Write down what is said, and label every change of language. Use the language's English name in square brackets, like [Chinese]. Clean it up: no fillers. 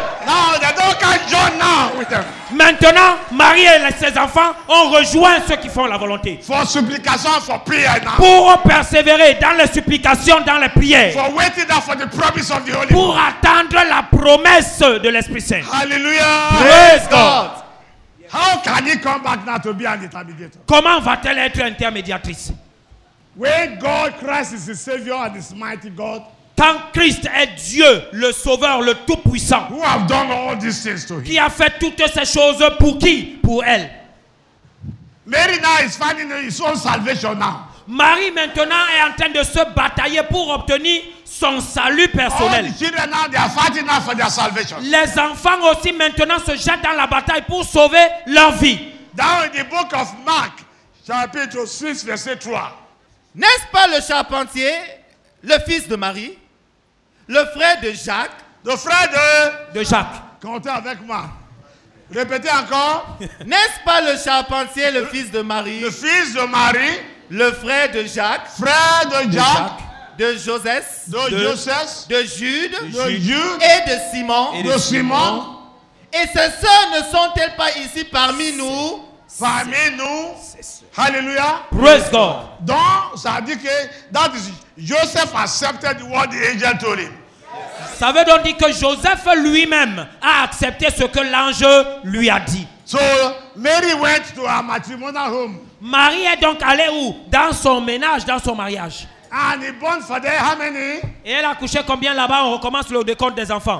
[English] Now they don't come join now with them. [French] Maintenant, Marie et ses enfants ont rejoint ceux qui font la volonté. [English] For supplication, for prayer now. [French] Pour persévérer dans les supplications, dans les prières. [English] For waiting now for the promise of the Holy [French] Pour God. Attendre la promesse de l'Esprit Saint. [English] Hallelujah. Praise God. How can he come back now to be an intermediator? [French] Comment va-t-elle être intermédiatrice? [English] When God Christ is the Savior and His mighty God. [French] Quand Christ est Dieu, le Sauveur, le Tout-Puissant. [English] Who have done all these things to him? [French] Qui a fait toutes ces choses pour qui? Pour elle. [English] Mary now is finding his own salvation now. [French] Marie maintenant est en train de se batailler pour obtenir son salut personnel. [English] All the children now, they are fighting now for their salvation. [French] Les enfants aussi maintenant se jettent dans la bataille pour sauver leur vie. [English] Now in the book of Mark, chapter 6, verset 3. [French] N'est-ce pas le charpentier, le fils de Marie, le frère de Jacques, le frère de Jacques. Comptez avec moi. Répétez encore. N'est-ce pas le charpentier, le fils de Marie, le fils de Marie, le frère de Jacques, frère de Jacques, de Joseph, de Joseph, de Jude, de Jude, et de Simon, et de Simon. Et ses sœurs ne sont-elles pas ici parmi nous? Parmi nous. Hallelujah. [English] Praise God. [French] Donc, ça dit que [English] that is Joseph accepted what the angel told him. [French] Ça veut donc dire que Joseph lui-même a accepté ce que l'ange lui a dit. [English] So Mary went to her matrimonial home. [French] Marie est donc allée où? Dans son ménage, dans son mariage. [English] And he born for there how many? [French] Et elle a couché combien là-bas? On recommence le décompte des enfants.